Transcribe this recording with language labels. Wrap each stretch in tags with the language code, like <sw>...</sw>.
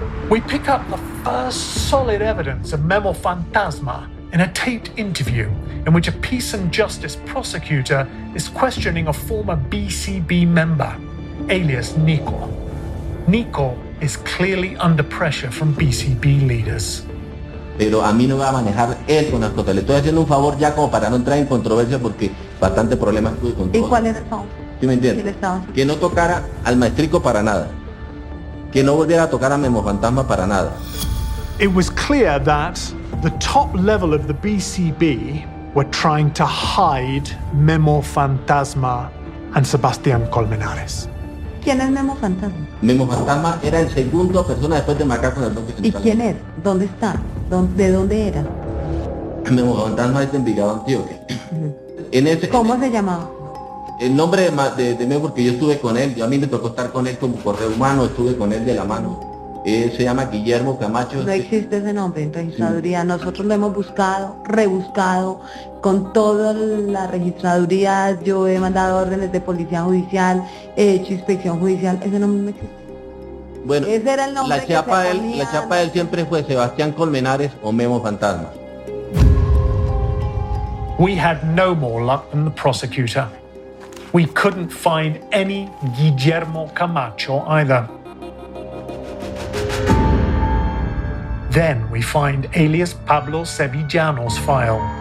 <en>We pick up the first solid evidence of Memo Fantasma in a taped interview in which a peace and justice prosecutor is questioning a former BCB member, alias Nico. Nico is clearly under pressure from BCB leaders.</en> <es>Pero a mí no va a manejar él con las cosas. Le estoy haciendo un favor ya como para no entrar en controversia porque bastante problemas tuve con todo. ¿Y cuáles son? ¿Sí me entiendes? Que no tocara al maestrico para nada. Que no volviera a tocar a Memo Fantasma para nada.</es> <en>It was clear that the top level of the BCB were trying to hide Memo Fantasma and Sebastián Colmenares.</en> <es>¿Quién es Memo Fantasma? Memo Fantasma era el segundo persona después de Macaco en el bloque central. ¿Y quién es? ¿Dónde está? ¿De dónde era? Memo Fantasma es de Envigado, Antioquia. ¿Cómo se llamaba? El nombre de Memo, porque yo estuve con él, a mí me tocó estar con él como correo humano, estuve con él de la mano. Se llama Guillermo Camacho. No existe ese nombre en registraduría. Sí. Nosotros lo hemos buscado, rebuscado, con toda la registraduría. Yo he mandado órdenes de policía judicial, he hecho inspección judicial. Ese nombre no existe. Bueno, ese era el nombre. La chapa de él, la chapa de él siempre fue Sebastián Colmenares o Memo Fantasma.</es> <en>We had no more luck than the prosecutor. We couldn't find any Guillermo Camacho either. Then we find alias Pablo Sevillano's file.</en>